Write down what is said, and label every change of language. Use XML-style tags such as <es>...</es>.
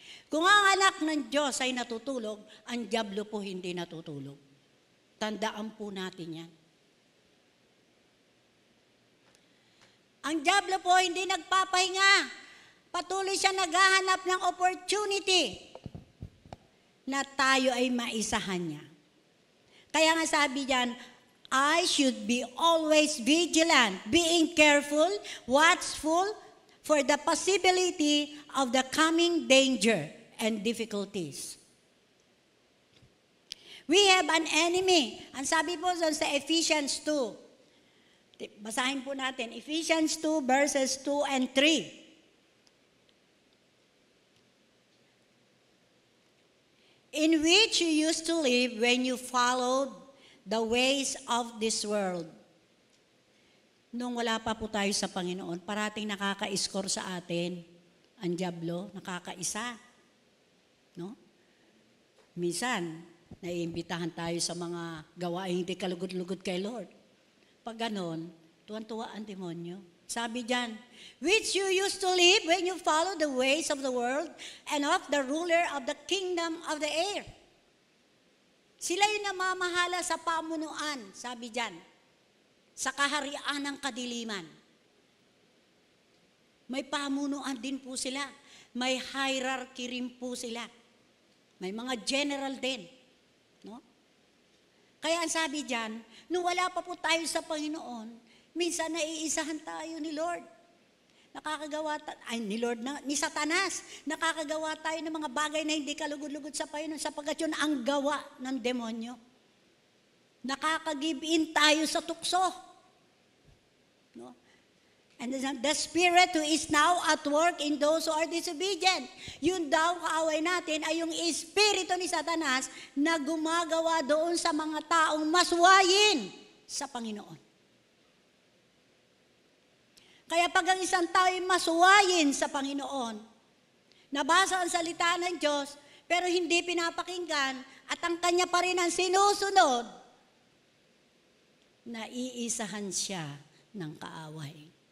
<tl>Kung ang anak ng Diyos ay natutulog, ang diablo po hindi natutulog. Tandaan po natin yan. Ang diablo po hindi nagpapahinga. Patuloy siya naghahanap ng opportunity na tayo ay maisahan niya. Kaya nga sabi diyan,</tl> <en>I should be always vigilant, being careful, watchful for the possibility of the coming danger and difficulties. We have an enemy.</en> <tl>Ang sabi po doon sa Ephesians 2. Basahin po natin, Ephesians 2 verses 2 and 3.</tl> <en>In which you used to live when you followed the ways of this world.</en> <tl>Nung wala pa po tayo sa Panginoon, parating nakaka-score sa atin ang diablo, nakakaisa. No? Minsan, naiimbitahan tayo sa mga gawain hindi kalugod-lugod kay Lord. Pag ganon, tuwan-tuwa ang demonyo. Sabi dyan,</tl> <en>which you used to live when you followed the ways of the world and of the ruler of the kingdom of the air.</en> <tl>Sila yung namamahala sa pamunuan, sabi dyan, sa kaharian ng kadiliman. May pamunuan din po sila. May hierarchy rin po sila. May mga general din. No? Kaya ang sabi dyan, nung wala pa po tayo sa Panginoon, minsan naiisahan tayo ni Lord. Ni Satanas. Nakakagawa tayo ng mga bagay na hindi kalugod-lugod sa Panginoon sapagkat yun ang gawa ng demonyo. Nakakagive in tayo sa tukso. No?</tl> <en>And the spirit who is now at work in those who are disobedient.</en> <tl>Yun daw kaaway natin ay yung espiritu ni Satanas na gumagawa doon sa mga taong maswayin sa Panginoon. Kaya pag ang isang tao ay masuwayin sa Panginoon, nabasa ang salita ng Diyos, pero hindi pinapakinggan, at ang kanya pa rin ang sinusunod, naiisahan siya ng kaaway.</tl>